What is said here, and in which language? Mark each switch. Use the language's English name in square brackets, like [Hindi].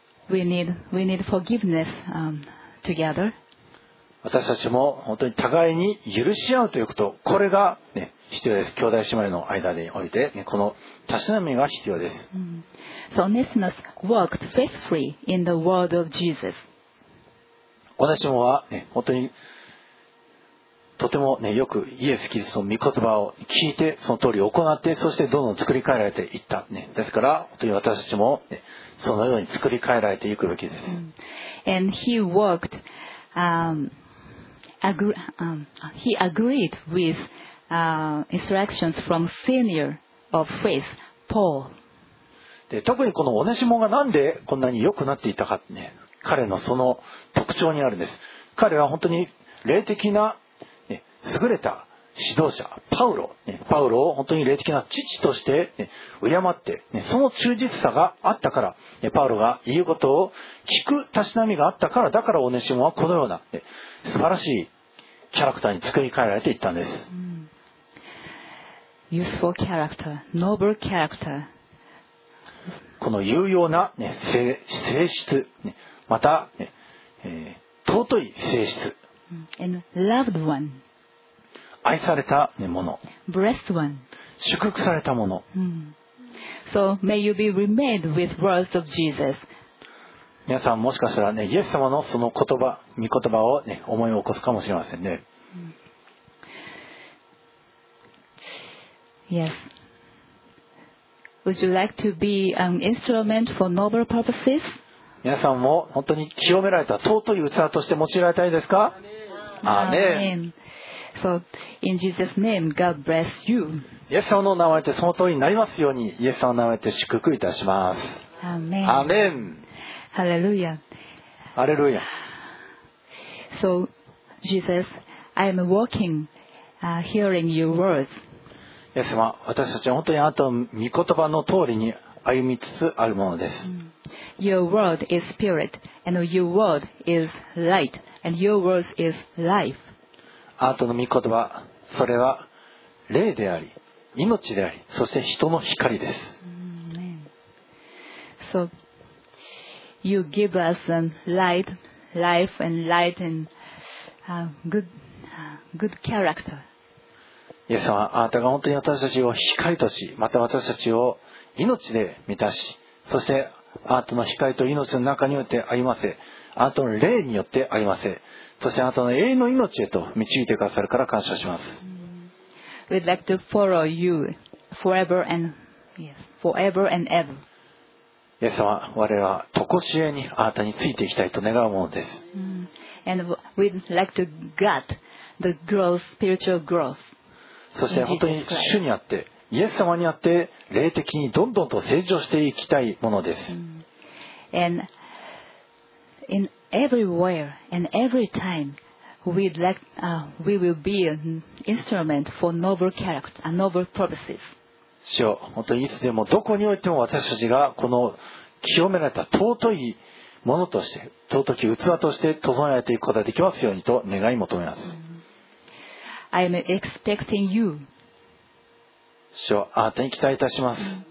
[English] We need forgiveness together. [Japanese] 私たちも本当に互いに許し合うということ、これが、ね、必要です。兄弟姉妹の間において、ね、このたしなみが必要です。 [English] So, Onesimus worked faithfully in the word of Jesus. [Japanese] 私もは、ね、本当にとても、ね、よくイエス・キリストの御言葉を聞いて、その通り行って、そしてどんどん作り変えられていった、ね。ですから、本当に私たちも、ね、そのように作り変えられていくべきです。 [English] And he worked, he agreed with instructions from senior of faith, Paul. [Japanese] で特にこのオネシモがなんでこんなに良くなっていたか、ね、彼のその特徴にあるんです。彼は本当に霊的な優れた指導者パウロ、ね、パウロを本当に霊的な父として、ね、敬って、ね、その忠実さがあったから、ね、パウロが言うことを聞くたしなみがあったから、だからオネシモはこのような、ね、素晴らしいキャラクターに作り変えられていったんです、 [English] うん、Useful character, noble character. [Japanese] この有用な、ね、性質、ね、また、ね、尊い性質、 [English] And loved one. [Japanese] 愛されたもの、 [English] Blessed one. [Japanese] 祝福されたもの、 [English] So may you be remade with words of Jesus. [Japanese] 皆さんもしかしたら、ね、イエス様のその言葉、御言葉を、ね、思い起こすかもしれませんね。 [English] Yes. Would you like to be an instrument for noble purposes? [Japanese] 皆さんも本当に清められた尊い器として用いられたいですか？アーメン。 [English] So, in Jesus' name, God bless you. [Japanese] イエス様の名前でその通りになりますように、イエス様の名前で祝福いたします。アーメン。アーメン。ハレルヤ。ハレルヤ。 [English] So, Jesus, I am walking, hearing your words. [Japanese] イエス様、私たちは本当にあなたの御言葉の通りに歩みつつあるものです。 [English] Your word is spirit, and your word is light, and your word is life. [Japanese] あなたの御言葉、それは霊であり、命であり、そして人の光です。 [English] So, you give us a light, life and light and good character. [Japanese] イエス様、あなたが本当に私たちを光とし、また私たちを命で満たし、そしてあなたの光と命の中によって歩ませ、あなたの霊によって歩ませ、そしてあなたの永遠の命へと導いてくださるから感謝します。 [English] We'd like to follow you forever and yes, forever and ever. [Japanese] イエス様、我らは常しえにあなたについていきたいと願うものです。 [English] And we'd like to get the growth, spiritual growth. [Japanese] そして本当に主にあって、イエス様にあって霊的にどんどんと成長していきたいものです。 [English] And in everywhere and every time we'd like we will be an instrument for noble character and noble purposes. [Japanese] 主よ、本当にいつでもどこにおいても私たちがこの清められた尊いものとして、尊き器として整えられていくことができますようにと願い求めます。 [English] I'm expecting you. [Japanese] 主よ、あなたに期待いたします。